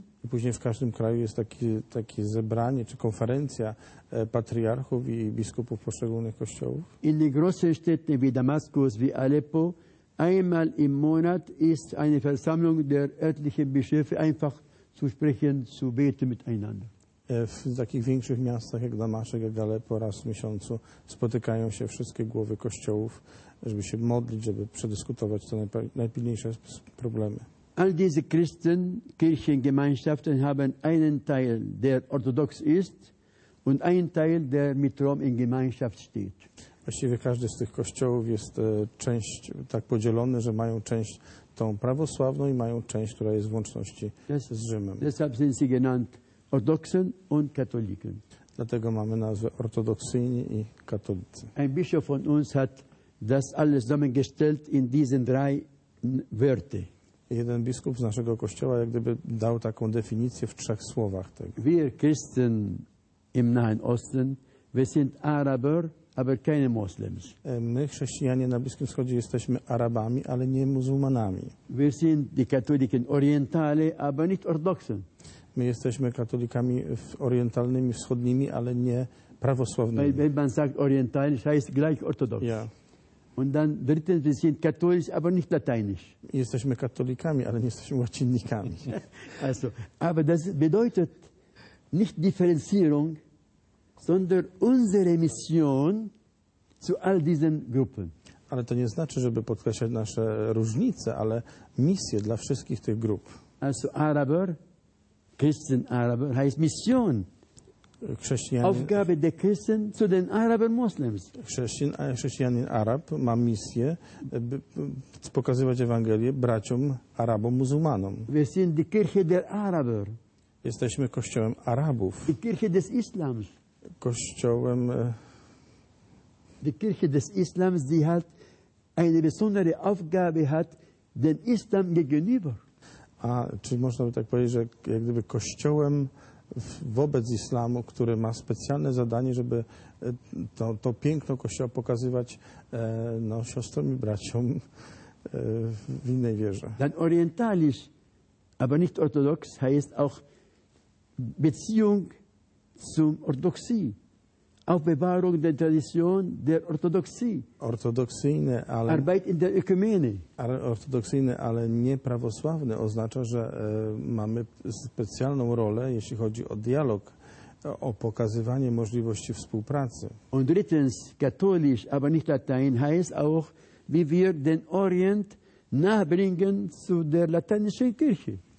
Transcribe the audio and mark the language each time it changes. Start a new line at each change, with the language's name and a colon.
Polish: Później w każdym kraju jest takie zebranie czy konferencja patriarchów i biskupów poszczególnych kościołów.
German: In den großen Städten wie Damaskus, wie Aleppo, einmal im Monat ist eine Versammlung der örtlichen Bischöfe einfach zu sprechen, zu beten miteinander.
Polish: W takich większych miastach jak Damaszek, jak Aleppo, raz w miesiącu spotykają się wszystkie głowy kościołów, żeby się modlić, żeby przedyskutować te najpilniejsze problemy.
German: All diese Christen, Kirchengemeinschaften haben einen Teil, der orthodox ist, und einen Teil, der mit Rom in Gemeinschaft steht.
Polish: Właściwie każdy z tych kościołów jest część tak podzielony, że mają część tą prawosławną i mają część, która jest w łączności z Rzymem.
German: Deshalb sind sie genannt Orthodoxen und Katholiken.
Polish: Dlatego mamy nazwę ortodoksyjni i katolicy.
German: Ein Bischof von uns hat das alles zusammengestellt in diesen drei Wörter.
Polish: Jeden biskup z naszego kościoła jak gdyby dał taką definicję w trzech słowach tego.
German: Wir Christen im Nahen Osten, wir sind Araber, aber keine Moslems.
Polish: My chrześcijanie na Bliskim Wschodzie jesteśmy Arabami, ale nie muzułmanami.
German: Wir sind die Katholiken orientale, aber nicht orthodoxen.
Polish: My jesteśmy katolikami orientalnymi, wschodnimi, ale nie prawosławnymi.
German: Wenn man sagt orientalisch, heißt gleich orthodox. Ja. Und dann drittens, wir sind katholisch, aber nicht lateinisch.
Polish: Jesteśmy katolikami, ale nie jesteśmy łacinnikami.
German: Also, aber das bedeutet nicht Differenzierung, sondern unsere Mission zu all diesen Gruppen.
Polish: Ale to nie znaczy, żeby podkreślać nasze różnice, ale misje dla wszystkich tych grup.
German: Also, Araber, Christen Araber heißt Mission. Aufgabe der Christen zu den Araber Muslims.
Polish: Chrześcijanin Arab ma misję, by pokazywać Ewangelię braciom Arabom muzułmanom.
German: Wir sind die Kirche der Araber.
Polish: Jesteśmy kościołem Arabów.
German: Die Kirche des Islams.
Polish: Kościołem.
German: Die Kirche des Islams, die hat eine besondere Aufgabe hat den Islam gegenüber.
Polish: A czyli można by tak powiedzieć, że jak gdyby kościołem wobec islamu, który ma specjalne zadanie, żeby to piękno kościoła pokazywać no, siostrom i braciom w innej wierze.
German: Dann orientalisch, aber nicht orthodox, heißt auch Beziehung zum Orthodoxie. Aufbewahrung der Tradition der Orthodoxie.
Polish: Ortodoksyjne, ale
German: Arbeit in der Ökumene.
Polish: Ortodoksyjne, ale nieprawosławne oznacza, że mamy specjalną rolę, jeśli chodzi o dialog, o pokazywanie możliwości współpracy.
German: Und drittens, katholisch, aber nicht latein, heißt auch, wie wir den Orient nachbringen zu der lateinischen Kirche.